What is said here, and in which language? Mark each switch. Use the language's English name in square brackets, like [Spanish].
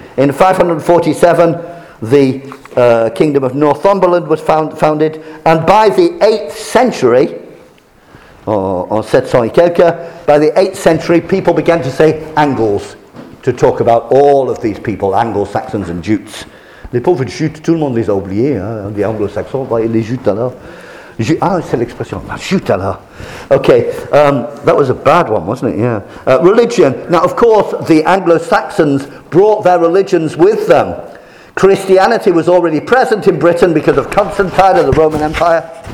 [English] In 547, the kingdom of Northumberland was founded, and by the 8th century, or 700 [French] et quelques, [English] by the 8th century, people began to say Angles to talk about all of these people, Angles, Saxons, and Jutes. [French] Les pauvres Jutes, tout le monde les a oubliés, hein, les Anglo-Saxons, les Jutes alors. C'est l'expression, Jutes alors. [English] Okay, that was a bad one, wasn't it? Yeah. Religion. Now, of course, the Anglo-Saxons brought their religions with them. Christianity was already present in Britain because of Constantine and the Roman Empire.